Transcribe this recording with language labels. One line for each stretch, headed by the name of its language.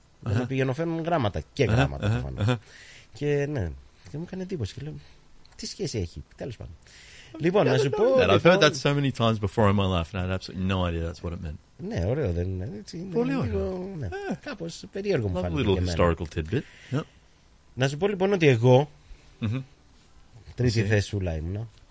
Greek: Δηλαδή πηγαινοφέρουν γράμματα και γράμματα. Και ναι, και μου έκανε εντύπωση και λέω, τι σχέση έχει, τέλος πάντων. Λοιπόν, να σου πω...
English: I've heard that so many times before in my life and I had absolutely no idea that's what it meant.
Greek: Ναι, ωραίο, δεν είναι, έτσι. Πολύ ωραίο. Ναι, κάπως περίεργο μου φάνηκε.
English: A little historical tidbit.
Greek: Να σου πω λοιπόν ότι εγώ, τρίτη θέσουλα ήμουν.